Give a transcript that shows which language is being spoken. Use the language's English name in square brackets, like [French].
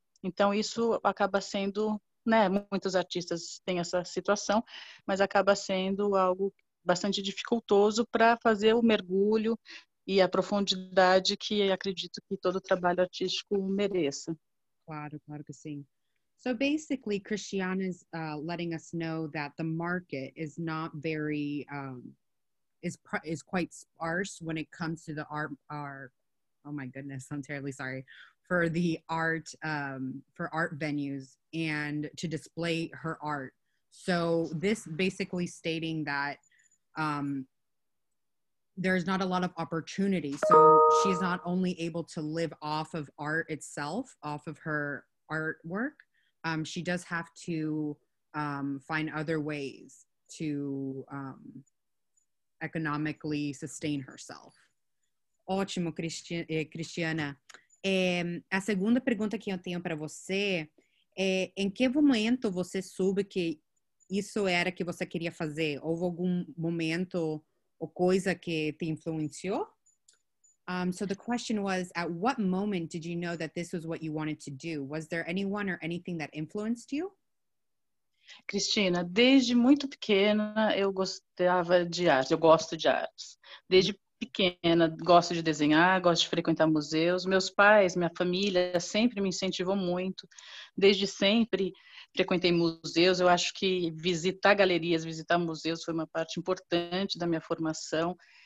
[Portuguese] Então, isso acaba sendo, né, muitos artistas têm essa situação, mas acaba sendo algo bastante dificultoso para fazer o mergulho e a profundidade que acredito que todo trabalho artístico mereça. Claro, claro que sim. [English] So basically, Christiana's letting us know that the market is not very, is quite sparse when it comes to the art, oh my goodness, I'm terribly sorry, for the art, for art venues and to display her art. So this basically stating that there's not a lot of opportunity. So she's not only able to live off of art itself, off of her artwork, she does have to find other ways to economically sustain herself. [Portuguese] Ótimo, Cristiana. A segunda pergunta que eu tenho para você é em que momento você soube que isso era que você queria fazer? Houve algum momento ou coisa que te influenciou? [English] So the question was, at what moment did you know that this was what you wanted to do? Was there anyone or anything that influenced you? [Portuguese] Cristina, desde muito pequena eu gostava de arte, eu gosto de artes. Desde pequena, gosto de desenhar, gosto de frequentar museus. Meus pais, minha família sempre me incentivou muito. Desde sempre frequentei museus. Eu acho que visitar galerias, visitar museus foi uma parte importante da minha formação.